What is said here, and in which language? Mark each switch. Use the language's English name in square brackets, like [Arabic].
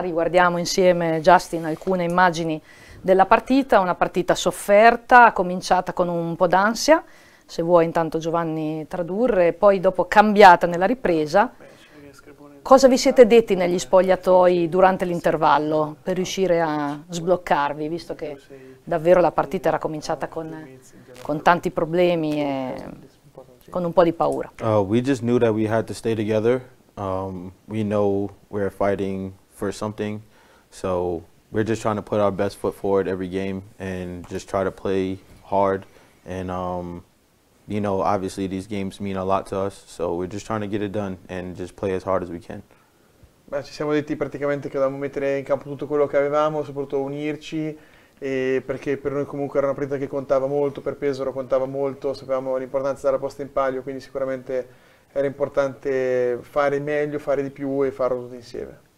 [Italian] Riguardiamo insieme Justin alcune immagini della partita, una partita sofferta, cominciata con un po' d'ansia, se vuoi intanto Giovanni tradurre, poi dopo cambiata nella ripresa. Cosa vi siete detti negli spogliatoi durante l'intervallo per riuscire a sbloccarvi, visto che davvero la partita era cominciata con tanti problemi e con un po' di paura? [English] We just knew that we had to stay together. We know we're fighting for something, so we're just trying to put our best foot forward every game and just try to play hard and you know, obviously these games mean a lot to us, so we're just trying to get it done and just play as hard as we can. [Italian] Beh, ci siamo detti praticamente che dovevamo mettere in campo tutto quello che avevamo, soprattutto unirci, e perché per noi comunque era una partita che contava molto, per Pesaro contava molto, sapevamo l'importanza della posta in palio, quindi sicuramente era importante fare meglio, fare di più e farlo tutto insieme.